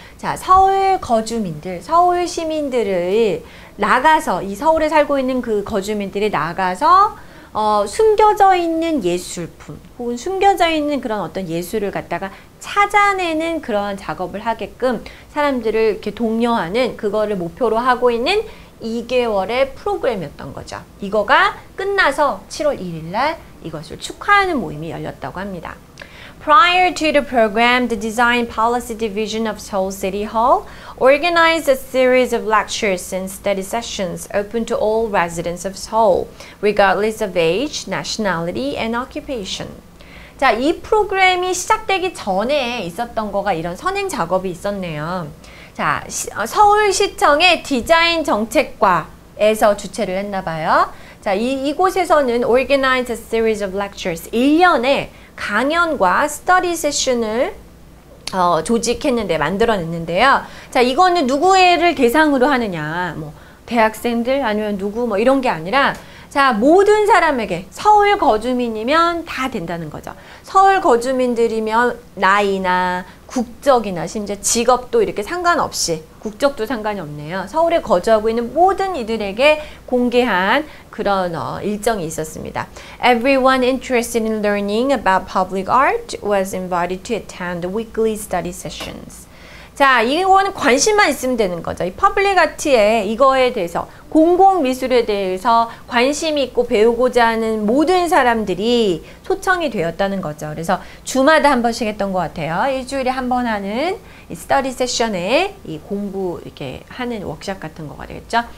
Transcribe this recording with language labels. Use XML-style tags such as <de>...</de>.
<ko>자, 서울 거주민들, 서울 시민들을 나가서, 이 서울에 살고 있는 그 거주민들이 나가서 숨겨져 있는 예술품 혹은 숨겨져 있는 그런 어떤 예술을 갖다가 찾아내는 그런 작업을 하게끔 사람들을 이렇게 독려하는 그거를 목표로 하고 있는 2개월의 프로그램이었던 거죠. 이거가 끝나서 7월 1일 날 이것을 축하하는 모임이 열렸다고 합니다.</ko> <en>Prior to the program, the Design Policy Division of Seoul City Hall organized a series of lectures and study sessions open to all residents of Seoul, regardless of age, nationality, and occupation.</en> <ko>자, 이 프로그램이 시작되기 전에 있었던 거가 이런 선행 작업이 있었네요. 자, 서울시청의 디자인 정책과에서 주최를 했나 봐요. 자, 이곳에서는</ko> <en>organized a series of lectures,</en> <ko>1년에 강연과 스터디 세션을 조직했는데 만들어냈는데요. 자, 이거는 누구를 대상으로 하느냐, 뭐 대학생들 아니면 누구 뭐 이런 게 아니라, 자, 모든 사람에게 서울 거주민이면 다 된다는 거죠. 서울 거주민들이면 나이나 국적이나 심지어 직업도 이렇게 상관없이, 국적도 상관이 없네요. 서울에 거주하고 있는 모든 이들에게 공개한 그런 일정이 있었습니다.</ko> <en>Everyone interested in learning about public art was invited to attend the weekly study sessions.</en> <ko>자, 이거는 관심만 있으면 되는 거죠. 이 퍼블릭 아트에 이거에 대해서, 공공미술에 대해서 관심 있고 배우고자 하는 모든 사람들이 초청이 되었다는 거죠. 그래서 주마다 한 번씩 했던 것 같아요. 일주일에 한 번 하는 이 스터디 세션에 이 공부 이렇게 하는 워크숍 같은 거가 되겠죠.</ko>